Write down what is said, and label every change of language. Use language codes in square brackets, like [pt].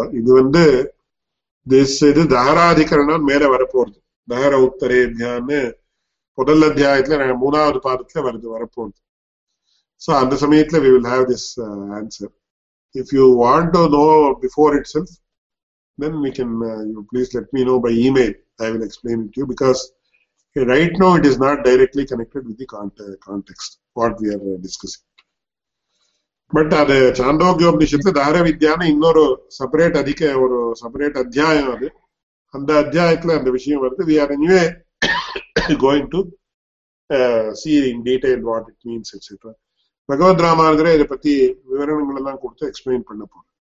[ta] இது வந்து திஸ் இது தாராதிகரணம் மேல வரப்போறது. தஹர உத்தரே தியானு முதல் அத்தியாயத்துல மூணாவது பாதத்துல வருது வரப்போறது. சோ அந்த சமயத்துல [en] we will have this answer. If you want to know before itself then we can you please let me know by email. I will explain it to you because right now it is not directly connected with the context what we are discussing. But [ta] அது சாந்தோக்யோபனிஷத்துல தார வித்யான இன்னொரு separate அதிக ஒரு separate அத்தியாயம் அது. அந்த அத்தியாயத்துல அந்த விஷயம் வருது. [en] We are anyway going to see in detail what it means etc. [ta] பகவத் ராமானுஜர் இதை பத்தி விவரணங்கள் எல்லாம் கொடுத்து எக்ஸ்பிளைன் பண்ண போறோம்.